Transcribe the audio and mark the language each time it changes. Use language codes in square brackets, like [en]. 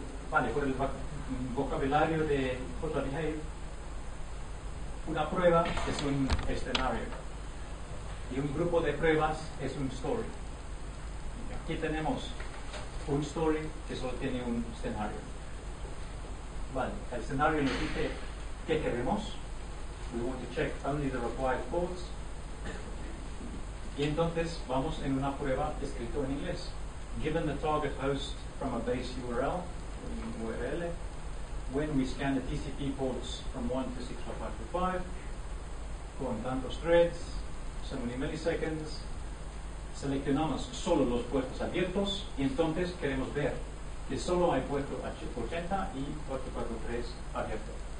[es] Vale, por el vocabulario de JDI, una prueba es un escenario. Y un grupo de pruebas es un story. Aquí tenemos un story que solo tiene un escenario. Vale, el escenario nos dice qué queremos. [en] We want to check only the required ports. [es] Y entonces vamos en una prueba escrito en inglés. [en] Given the target host from a base URL, [es] un URL, [en] when we scan the TCP ports from 1 to 6.5.5, [es] con tantos threads, [en] so many milliseconds, [es] seleccionamos solo los puertos abiertos y entonces queremos ver que solo hay puerto H80 y 443 abierto.